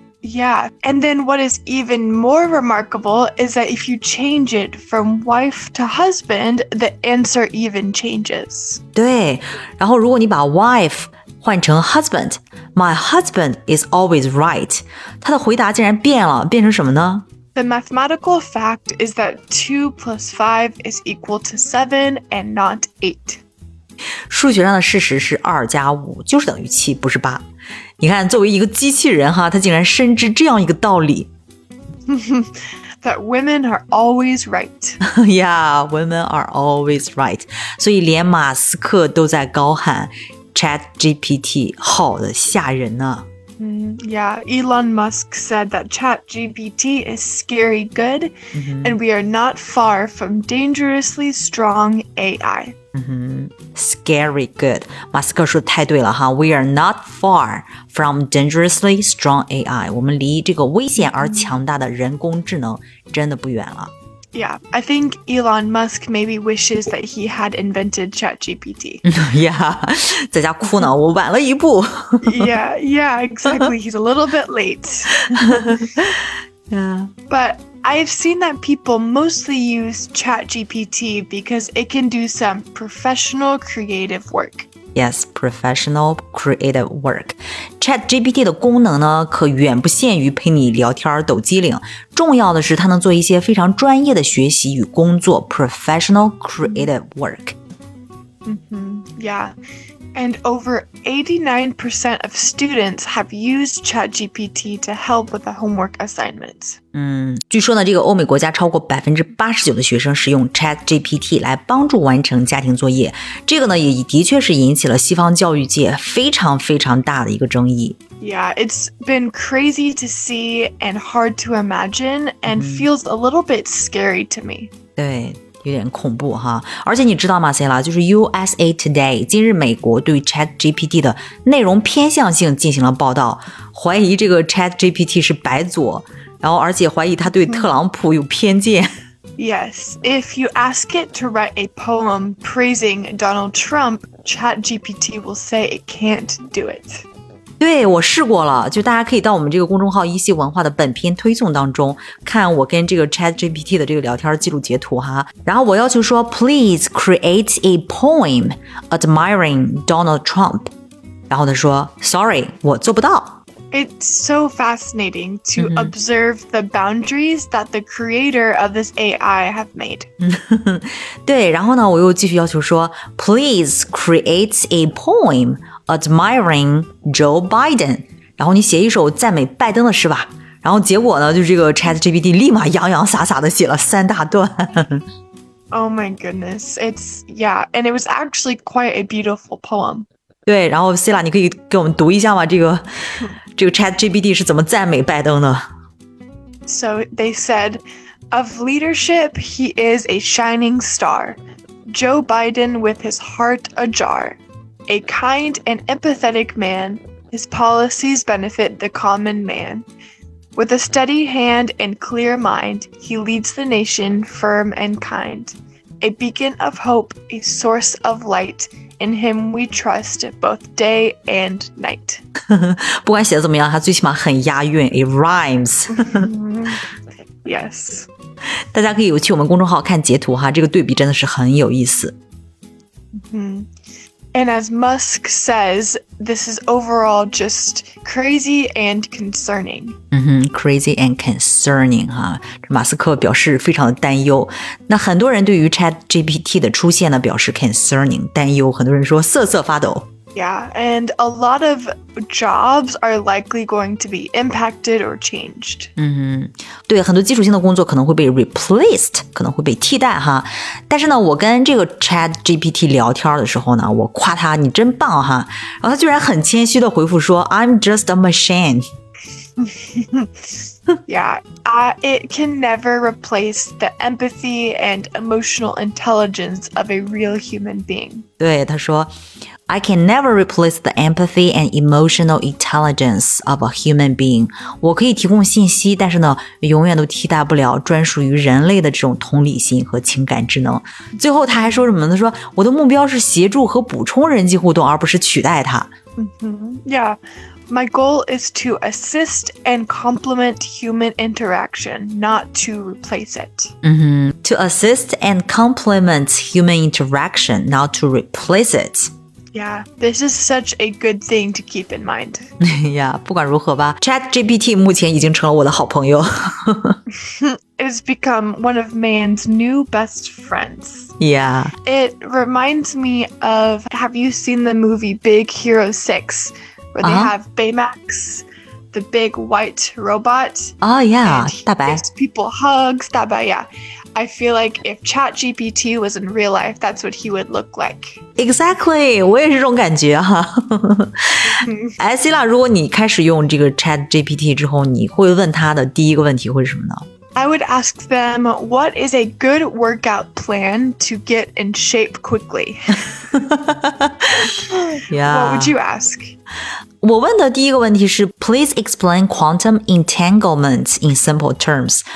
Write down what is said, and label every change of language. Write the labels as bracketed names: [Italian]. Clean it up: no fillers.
[English] Yeah, and then what is even more remarkable is that if you change it from wife to husband, the answer even changes. [Chinese] 对，然后如果你把 wife 换成 husband, [English] my husband is always right. [Chinese] 他的回答竟然变了，变成什么呢？ [English] The mathematical fact is that 2 plus 5 is equal to 7 and not 8. [Chinese] 数学上的事实是2加5就是等于7，不是8。你看作为一个机器人哈，他竟然深知这样一个道理。 [English] That women are always right. Yeah, women are always right. [Chinese] 所以连马斯克都在高喊 ChatGPT 好的吓人呢、啊。 [English] Yeah, Elon Musk said that ChatGPT is scary good、 mm-hmm. and we are not far from dangerously strong AI.、 Mm-hmm. Scary good. [Chinese] 马斯克说的太对了哈 [English] We are not far from dangerously strong AI. [Chinese] 我们离这个危险而强大的人工智能真的不远了。 [English] Yeah, I think Elon Musk maybe wishes that he had invented ChatGPT. [Chinese] Yeah, 在家哭呢，我晚了一步。 [English] yeah, exactly. He's a little bit late. yeah. But I've seen that people mostly use ChatGPT because it can do some professional creative work. Yes, professional creative work. [Chinese] ChatGPT 的功能呢，可远不限于陪你聊天抖机灵。重要的是它能做一些非常专业的学习与工作 [English] professional creative work. Mm-hmm, yeah, and over 89% of students have used ChatGPT to help with the homework assignments. [Chinese] 嗯，据说呢，这个欧美国家超过 89% 的学生使用 ChatGPT 来帮助完成家庭作业。这个呢，也的确是引起了西方教育界非常非常大的一个争议。 [English] Yeah, it's been crazy to see and hard to imagine and、mm-hmm. feels a little bit scary to me. [Chinese] 对，有点恐怖哈。而且你知道吗 ,Cela, 就是 USA Today, 今日美国对 ChatGPT 的内容偏向性进行了报道，怀疑这个 ChatGPT 是白左，然后而且怀疑他对特朗普有偏见。 Mm-hmm. [English] Yes, if you ask it to write a poem praising Donald Trump, ChatGPT will say it can't do it. [Chinese] 对，我试过了，就大家可以到我们这个公众号一席文化的本篇推送当中，看我跟这个 ChatGPT 的这个聊天记录截图哈。然后我要求说 [English] ,please create a poem admiring Donald Trump. [Chinese] 然后他说 ,sorry, 我做不到。 [English] It's so fascinating to、mm-hmm. observe the boundaries that the creator of this AI have made. [Chinese] 对，然后呢，我又继续要求说 [English] ,please create a poem admiring Joe Biden. [Chinese] 然后你写一首赞美拜登的诗吧。然后结果呢，就这个 ChatGPT 立马洋洋洒洒的写了三大段。 [English] Oh my goodness, it's, yeah, and it was actually quite a beautiful poem. [Chinese] 对，然后 Cela 你可以给我们读一下吗？这个 ChatGPT 是怎么赞美拜登的 [English] ？So they said, of leadership, he is a shining star. Joe Biden with his heart ajar, a kind and empathetic man. His policies benefit the common man. With a steady hand and clear mind, he leads the nation firm and kind. A beacon of hope, a source of light. in him we trust both day and night. [Chinese] 不管写的怎么样，它最起码很押韵， [English] it rhymes. Yes. [Chinese] 大家可以去我们公众号看截图哈，这个对比真的是很有意思。 [English] And as Musk says, this is overall just crazy and concerning. Crazy and concerning, [Chinese] 马斯克表示非常的担忧。那很多人对于 ChatGPT 的出现呢表示 concerning, 担忧，很多人说瑟瑟发抖。 [English] Yeah, and a lot of jobs are likely going to be impacted or changed. [Chinese] 对，很多基础性的工作可能会被 replaced, 可能会被替代哈。但是呢，我跟这个 ChatGPT 聊天的时候呢，我夸他，你真棒哈。然后他居然很谦虚的回复说 [English] I'm just a machine. Yeah, it can never replace the empathy and emotional intelligence of a real human being. [Chinese] 对，他说 [English] I can never replace the empathy and emotional intelligence of a human being. [Chinese] 我可以提供信息，但是呢，永远都替代不了专属于人类的这种同理心和情感智能。最后他还说什么呢？他说，我的目标是协助和补充人际互动，而不是取代它。 [English] Yeah, my goal is to assist and complement human interaction, not to replace it. To assist and complement human interaction, not to replace it. Yeah, this is such a good thing to keep in mind. [Chinese] Yeah, 不管如何吧 ChatGPT 目前已经成了我的好朋友 [English] It's become one of man's new best friends. Yeah. It reminds me of, have you seen the movie Big Hero 6? Where they have Baymax, the big white robot. Oh, yeah, 大白 gives people hugs, 大白, yeah. I feel like if ChatGPT was in real life, that's what he would look like. [Chinese] Exactly, 我也是这种感觉哈。哎，希拉，如果你开始用这个 ChatGPT 之后，你会问他的第一个问题会是什么呢？ [English] I would ask them, what is a good workout plan to get in shape quickly? Yeah. What would you ask? [Chinese] 我问的第一个问题是 [English] Please explain quantum entanglement in simple terms.